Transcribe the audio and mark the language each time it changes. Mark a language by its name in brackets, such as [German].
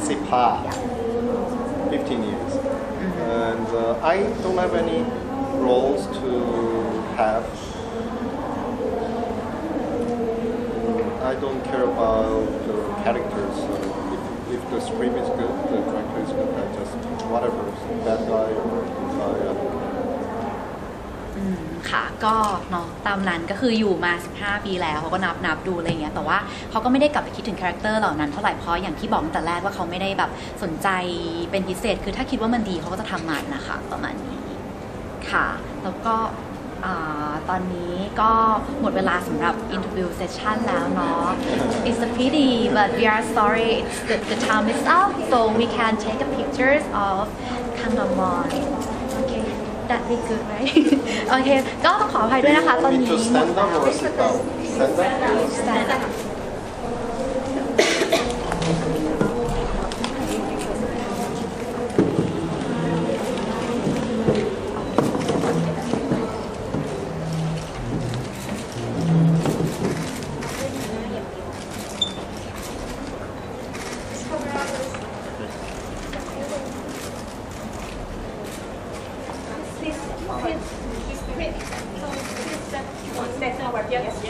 [English] 15 15 years and I don't have anyroles to have. I don't care about the characters. So if the script is good, the director is good, I just whatever, bad guy or good guy, I don't care. [Thai] ค่ะก็เนาะตามนั้นก็คืออยู่มา15ปีแล้วเขาก็นับดูอะไรเงี้ยแต่ว่าเขาก็ไม่ได้กลับไปคิดถึงคาแรคเตอร์เหล่านั้นเท่าไหร่เพราะอย่างที่บอกแต่แรกว่าเขาไม่ได้แบบสนใจเป็นพิเศษคือถ้าคิดว่ามันดีเขาก็จะทำมันนะคะประมาณนี้ค่ะแล้วก็ตอนนี้ก็หมดเวลาสำหรับอินทิวเซชั่นแล้วเนาะ [English] It's a pity but we are sorry the time is up so we can take a pictures of Kang Dongwon okayThat'd be good, right? [Thai] Okay, ก็ต้องขออภัยด้วยนะคะตอนนี้ [English] Stand up or sit down? Stand up. Stand Okay, that's the